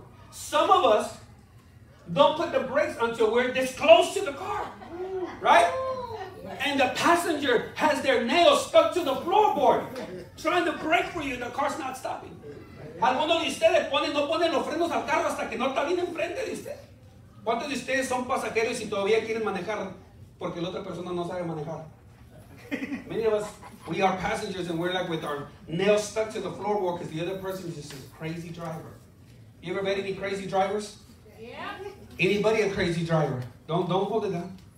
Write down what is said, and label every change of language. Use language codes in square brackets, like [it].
[en] Some of us don't put the brakes until we're this close to the car. Right? And the passenger has their nails stuck to the floorboard trying to brake for you, and the car's not stopping. [es] Algunos de ustedes ponen, no ponen los frenos al carro hasta que no está bien enfrente de usted. ¿Cuántos de ustedes son pasajeros y todavía quieren manejar porque la otra persona no sabe manejar? [en] Many of us, we are passengers and we're like with our nails stuck to the floorboard because the other person is just a crazy driver. You ever met any crazy drivers? Yeah. Anybody a crazy driver? Don't hold it down.